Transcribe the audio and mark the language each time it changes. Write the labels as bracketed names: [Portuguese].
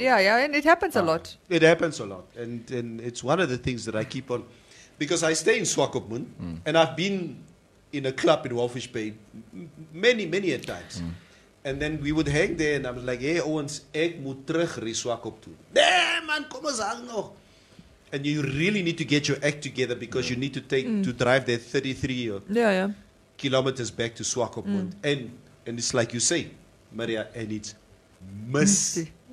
[English] Yeah, yeah, and it happens a lot. It happens a lot. And it's one of the things that I keep on, because I stay in Swakop Moon and I've been in a club in Walvis Bay many, many a times. And then we would hang there and I was like, hey, Owens, [Afrikaans] ek moet terug Reswakop toe. Nee, man, kom eens hang nog. [English] And you really need to get your act together because you need to take to drive that 33 kilometers back to Swakop. And it's like you say, Maria, and it's misty.